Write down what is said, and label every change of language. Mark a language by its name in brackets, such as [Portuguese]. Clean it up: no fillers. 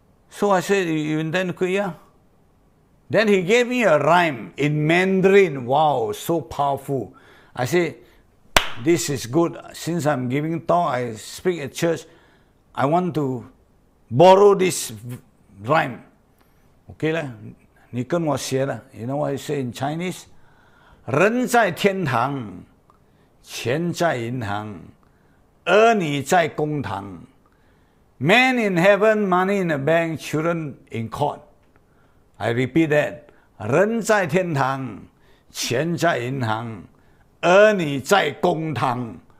[English] So I said, you intend to quit, yeah? Then he gave me a rhyme in Mandarin. Wow, so powerful. I say, this is good. Since I'm giving talk, I speak at church, I want to borrow this rhyme. Okay, lah. [Chinese] 你跟我学啦. [English] You know what I say in Chinese? [Chinese] 人在天堂, 钱在银行, 儿女在公堂. [English] Man in heaven, money in the bank, children in court. I repeat that. [Chinese] 人在天堂, 钱在银行, 儿女在公堂.